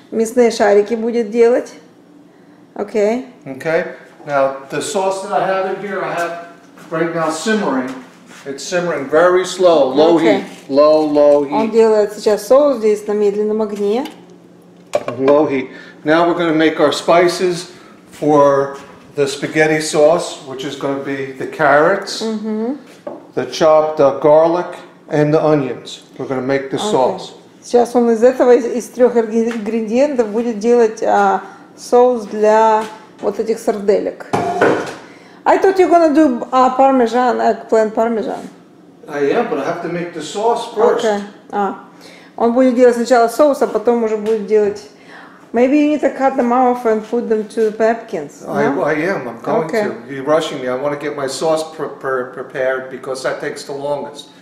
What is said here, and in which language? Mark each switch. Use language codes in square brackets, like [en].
[ru] Мясные шарики будет делать. [en] Okay. Okay. Now the sauce that I have in here, I have right now simmering. It's simmering very slow, low okay. heat, low, low heat. [ru] Он делает сейчас соус здесь на медленном огне. [en] Low heat. Now we're going to make our spices for the spaghetti sauce, which is going to be the carrots, the chopped garlic, and the onions. We're going to make the sauce. [ru] Сейчас он из этого из трех ингредиентов будет делать соус для вот этих сарделек. [en] I thought you're gonna do parmesan, eggplant parmesan. Yeah, but I have to make the sauce first. Okay. [ru] Он будет делать сначала соус, а потом уже будет делать... [en] Maybe you need to cut them off and put them to the pumpkins. I'm going to. You're rushing me. I want to get my sauce prepared because that takes the longest.